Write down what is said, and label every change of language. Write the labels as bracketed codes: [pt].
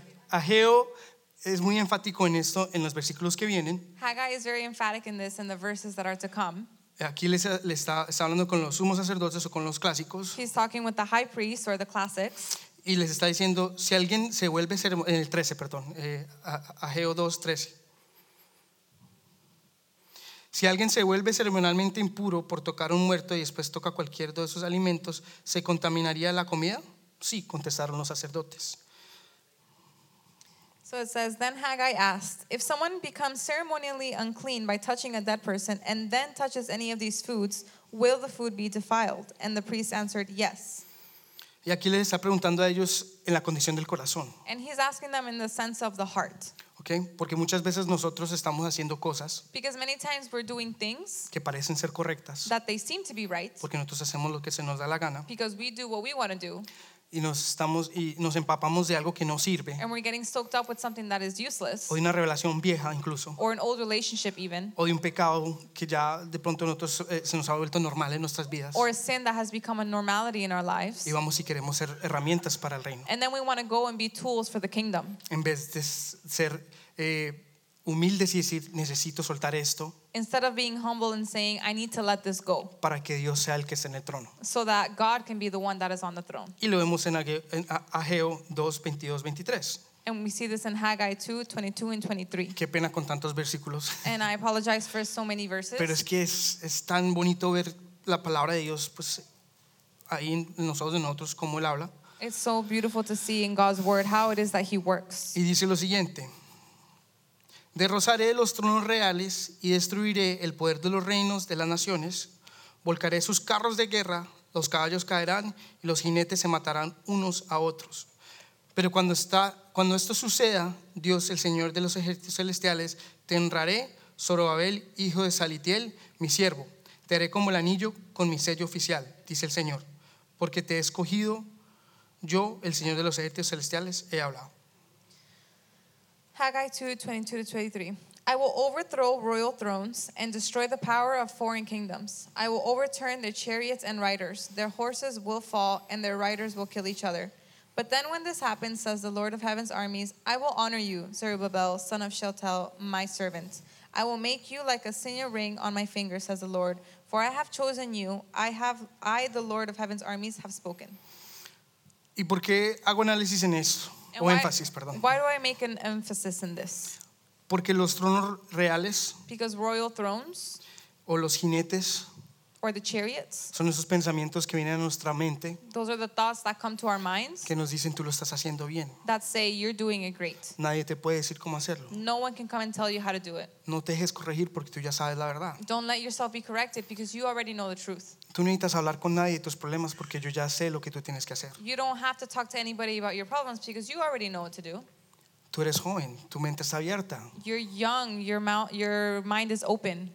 [es] Ageo es muy enfático en esto en los versículos que vienen. [en] Haggai is very emphatic in this in the verses that are to come. [es] Aquí le está hablando con los sumos sacerdotes o con los clásicos. [en] He's talking with the high priest or the classics. [es] Y les está diciendo si alguien se vuelve en el 13, perdón, Ageo 2:13. Si alguien se vuelve ceremonialmente impuro por tocar un muerto y después toca cualquier de esos alimentos, ¿se contaminaría la comida? Sí, contestaron los sacerdotes. [en] So it says, then Haggai asked, if someone becomes ceremonially unclean by touching a dead person and then touches any of these foods, will the food be defiled? And the priest answered, yes. [es] Y aquí les está preguntando a ellos en la condición del corazón. [en] And he's asking them in the sense of the heart. [es] Okay, porque muchas veces nosotros estamos haciendo cosas. [en] Because many times we're doing things [es] que parecen ser correctas. [en] That they seem to be right. [es] Porque nosotros hacemos lo que se nos da la gana. [en] Because we do what we want to do. [es] Y nos empapamos de algo que no sirve. [en] And we're getting soaked up with something that is useless. [es] O de una relación vieja incluso. [en] Or an old relationship even. [es] O de un pecado que ya de pronto nosotros se nos ha vuelto normal en nuestras vidas. [en] Or a sin that has become a normality in our lives. [es] Y vamos y queremos ser herramientas para el reino. [en] And then we want to go and be tools for the kingdom. [es] En vez de ser humildes y decir, necesito soltar esto. [en] instead of being humble and saying, I need to let this go. [es] Para que Dios sea el que esté en el trono. [en] So that God can be the one that is on the throne. [es] Y lo vemos en Ageo 2:22-23. [en] And we see this in Haggai 2:22-23. [es] Qué pena con tantos versículos. [en] And I apologize for so many verses. [es] Pero es que es tan bonito ver la palabra de Dios, pues, ahí en nosotros, cómo Él habla. [en] It's so beautiful to see in God's word how it is that He works. [es] Y dice lo siguiente: Derrozaré los tronos reales y destruiré el poder de los reinos de las naciones. Volcaré sus carros de guerra, los caballos caerán y los jinetes se matarán unos a otros. Pero cuando esto suceda, Dios, el Señor de los ejércitos celestiales, te honraré, Zorobabel, hijo de Salitiel, mi siervo. Te haré como el anillo con mi sello oficial, dice el Señor, porque te he escogido. Yo, el Señor de los ejércitos celestiales, he hablado. [en] Haggai 2:22-23. I will overthrow royal thrones and destroy the power of foreign kingdoms. I will overturn their chariots and riders. Their horses will fall and their riders will kill each other. But then when this happens, says the Lord of heaven's armies, I will honor you, Zerubbabel, son of Shealtiel, my servant. I will make you like a signet ring on my finger, says the Lord. For I have chosen you. I, the Lord of heaven's armies, have spoken. [es] ¿Y por qué hago análisis en eso? O énfasis, perdón. [en] Why do I make an emphasis in this? [es] Porque los tronos reales. [en] Because royal thrones. [es] O los jinetes. [en] Or the chariots. [es] Son esos pensamientos que vienen a nuestra mente. [en] Those are the thoughts that come to our minds. [es] Que nos dicen, tú lo estás haciendo bien. [en] That say, you're doing it great. [es] Nadie te puede decir cómo hacerlo. [en] No one can come and tell you how to do it. [es] No te dejes corregir porque tú ya sabes la verdad. [en] Don't let yourself be corrected because you already know the truth. [es] Tú no necesitas hablar con nadie de tus problemas porque yo ya sé lo que tú tienes que hacer. [en] You don't have to talk to anybody about your problems because you already know what to do. [es] Tú eres joven, tu mente está abierta. [en] You're young, your mind is open.